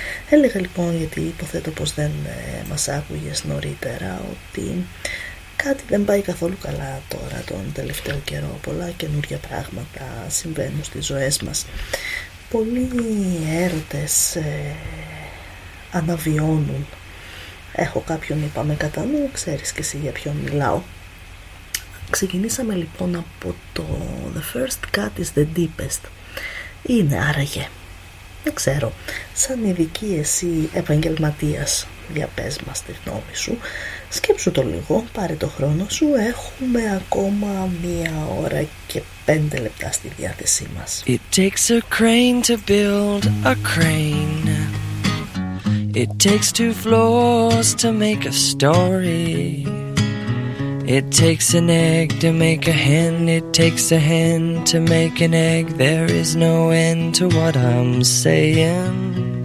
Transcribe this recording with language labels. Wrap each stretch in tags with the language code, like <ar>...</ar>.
<el>Έλεγα λοιπόν, γιατί υποθέτω πως δεν μας άκουγες νωρίτερα, ότι κάτι δεν πάει καθόλου καλά τώρα τον τελευταίο καιρό. Πολλά καινούργια πράγματα συμβαίνουν στις ζωές μας. Πολλοί έρωτες αναβιώνουν. Έχω κάποιον, είπαμε, κατά νου, ξέρεις και εσύ για ποιον μιλάω. Ξεκινήσαμε λοιπόν από το The First Cut is the Deepest. Είναι άραγε. Δεν ξέρω. Σαν ειδική εσύ επαγγελματίας, για πες μας τη γνώμη σου. Σκέψου το λίγο, πάρε το χρόνο σου. Έχουμε ακόμα μία ώρα και πέντε λεπτά στη διάθεσή μας.</el> <en>It takes a crane to build a crane. It takes two floors to make a story. It takes an egg to make a hen. It takes a hen to make an egg. There is no end to what I'm saying.</en>